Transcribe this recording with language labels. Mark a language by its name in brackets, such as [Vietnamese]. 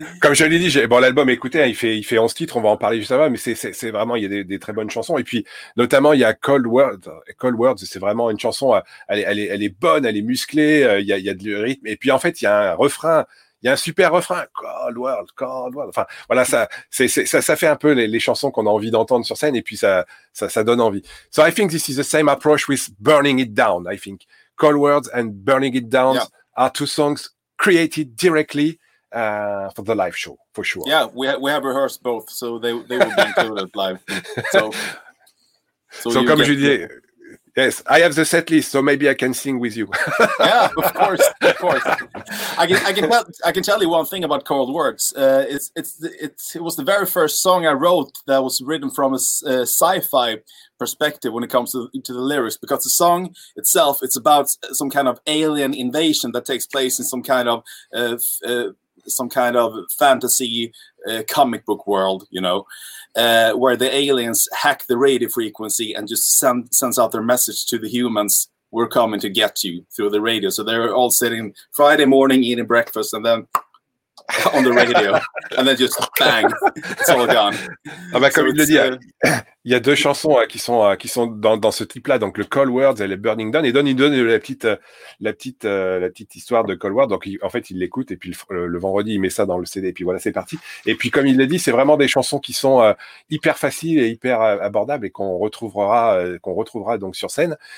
[French] Comme je l'ai dit, l'album, écoutez, il fait 11 titres. On va en parler juste avant, mais c'est vraiment, il y a des très bonnes chansons. Et puis, notamment, il y a Cold Words. Cold Words, c'est vraiment une chanson. Elle est bonne, elle est musclée. Il y a du rythme. Et puis, en fait, il y a un refrain. Il y a un super refrain, Cold World. Enfin, voilà, ça fait un peu les chansons qu'on a envie d'entendre sur scène, et puis ça donne envie. [English] So I think this is the same approach with Burning It Down. I think Cold World and Burning It Down are two songs created directly for the live show, for sure. Yeah, we have rehearsed both, so they will be included live. So [French] comme je disais. [English] Yes, I have the set list, so maybe I can sing with you. Yeah, of course. I can tell you one thing about Cold Words. It was the very first song I wrote that was written from a sci-fi perspective when it comes to the lyrics, because the song itself, it's about some kind of alien invasion that takes place in some kind of fantasy comic book world, you know, where the aliens hack the radio frequency and just sends out their message to the humans, we're coming to get you, through the radio. So they're all sitting Friday morning eating breakfast, and then on the radio, and then just bang, it's all gone. [French] Ah bah, comme so il le dit, il y a deux chansons qui sont dans ce type-là, donc le Cold Words et le Burning Down. Et Don, il donne la petite histoire de Cold Words. Donc en fait, il l'écoute et puis le vendredi, il met ça dans le CD. Et puis voilà, c'est parti. Et puis comme il le dit, c'est vraiment des chansons qui sont hyper faciles et hyper abordables et qu'on retrouvera donc sur scène.